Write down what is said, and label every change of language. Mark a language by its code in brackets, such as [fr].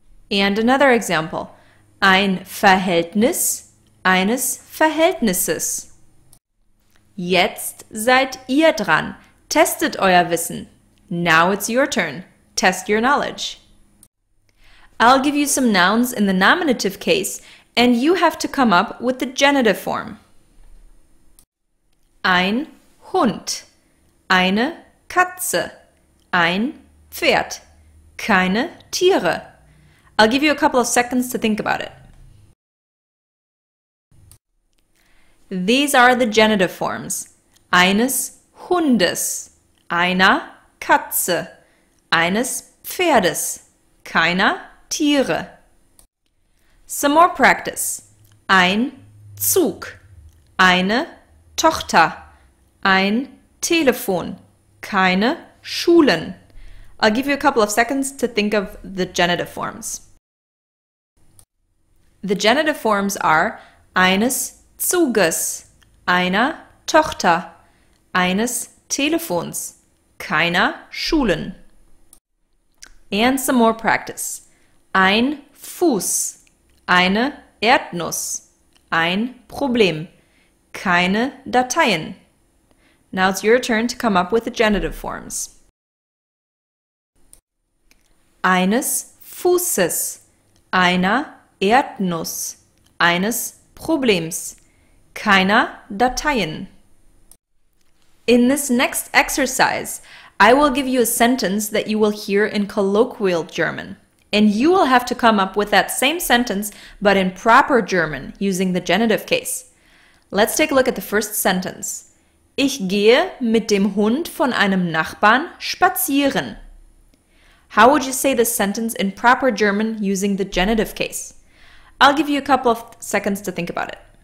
[en] And another example. [de] Ein Verhältnis, eines Verhältnisses. Jetzt seid ihr dran. Testet euer Wissen. [en] Now it's your turn. Test your knowledge. I'll give you some nouns in the nominative case, and you have to come up with the genitive form. [de] Ein Hund, eine Katze, ein Pferd, keine Tiere. [en] I'll give you a couple of seconds to think about it. These are the genitive forms. [de] Eines Hundes, einer Katze, eines Pferdes, keiner Tiere. [en] Some more practice. [de] Ein Zug, eine Tochter, ein Telefon, keine Schulen. [en] I'll give you a couple of seconds to think of the genitive forms. The genitive forms are [de] eines Zuges, einer Tochter, eines Telefons, keiner Schulen. [en] And some more practice. [de] Ein Fuß, eine Erdnuss, ein Problem, keine Dateien. [en] Now it's your turn to come up with the genitive forms. [de] Eines Fußes, einer Erdnuss, eines Problems, keiner Dateien. [en] In this next exercise, I will give you a sentence that you will hear in colloquial German. And you will have to come up with that same sentence, but in proper German, using the genitive case. Let's take a look at the first sentence. [de] Ich gehe mit dem Hund von einem Nachbarn spazieren. [en] How would you say this sentence in proper German using the genitive case? I'll give you a couple of seconds to think about it.